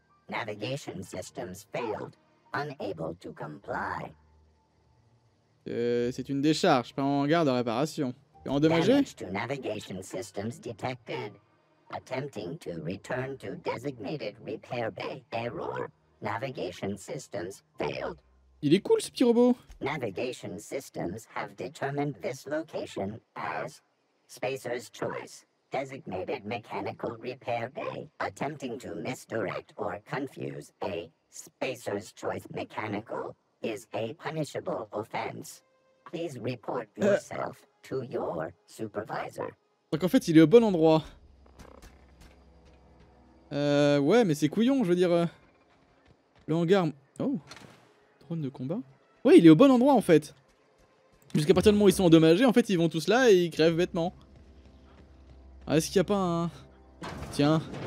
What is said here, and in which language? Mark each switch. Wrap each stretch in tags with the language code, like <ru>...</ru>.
<en>Navigation systems failed, unable to comply.</en> <fr>C'est une décharge, pas en hangar de réparation. Et endommagé?</fr> <en>Damage to navigation systems detected. Attempting to return to designated repair bay. Error. Navigation systems failed.</en> <fr>Il est cool ce petit robot.</fr> <en>Navigation systems have determined this location as Spacer's choice. Designated mechanical repair bay. Attempting to misdirect or confuse a spacer's choice mechanical is a punishable offense. Please report yourself to your supervisor.</en> <fr>Donc en fait, il est au bon endroit. Ouais, mais c'est couillon, je veux dire. Le hangar. Oh, drone de combat. Ouais, il est au bon endroit en fait. Jusqu'à partir du moment où ils sont endommagés, en fait, ils vont tous là et ils crèvent bêtement. Ah, est-ce qu'il n'y a pas un... Tiens.</fr>